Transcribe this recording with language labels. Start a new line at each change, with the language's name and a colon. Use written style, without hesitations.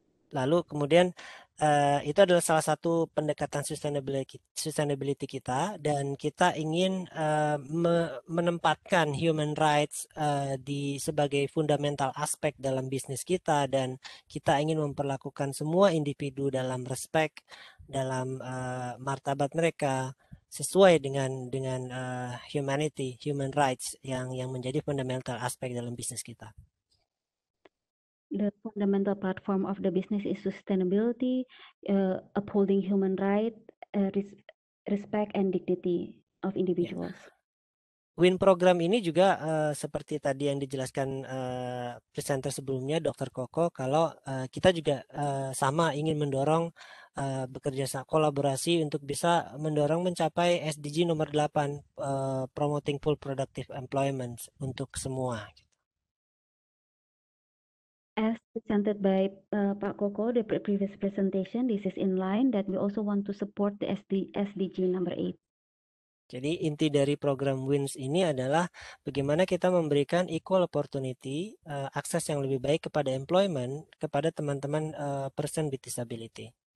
Indonesian: Lalu kemudian itu adalah salah satu pendekatan sustainability kita dan kita ingin menempatkan human rights di sebagai fundamental aspek dalam bisnis kita dan kita ingin memperlakukan semua individu dalam respect, dalam martabat mereka sesuai dengan humanity, human rights yang menjadi fundamental aspek dalam bisnis kita.
English: The fundamental platform of the business is sustainability, upholding human rights, respect and dignity of individuals. Yeah.
Indonesian: WIN program ini juga seperti tadi yang dijelaskan presenter sebelumnya, Dr. Koko, kalau kita juga sama ingin mendorong bekerja kolaborasi untuk bisa mendorong mencapai SDG nomor 8,
English: promoting full productive employment
Indonesian: untuk semua.
English: As presented by Pak Koko, the previous presentation, this is in line that we also want to support the SDG number 8.
Indonesian: Jadi inti dari program WINS ini adalah bagaimana kita memberikan
English: equal opportunity,
Indonesian: akses yang lebih baik kepada employment, kepada teman-teman
English: person with disability.